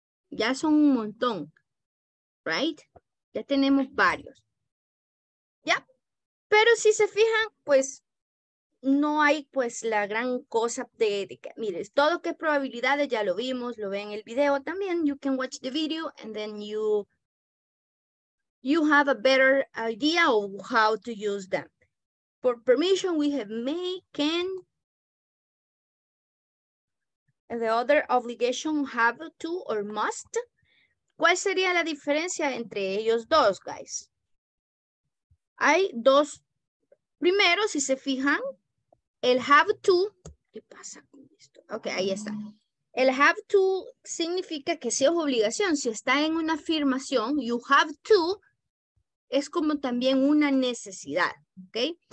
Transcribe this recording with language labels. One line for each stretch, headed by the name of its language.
Spanish: Ya son un montón,
English: right?
Spanish: Ya tenemos varios. ¿Ya? Pero si se fijan, pues no hay pues la gran cosa de que, miren, todo que es probabilidades, ya lo vimos, lo ven en el video también.
English: You can watch the video and then you have a better idea of how to use them. For permission, we have may, can, and the other obligation, have to or must.
Spanish: ¿Cuál sería la diferencia entre ellos dos,
English: guys?
Spanish: Hay dos. Primero, si se fijan, el have to. ¿Qué pasa con esto? Ok, ahí está. El have to significa que si es obligación, si está en una afirmación,
English: you have to,
Spanish: es como también una necesidad. Ok.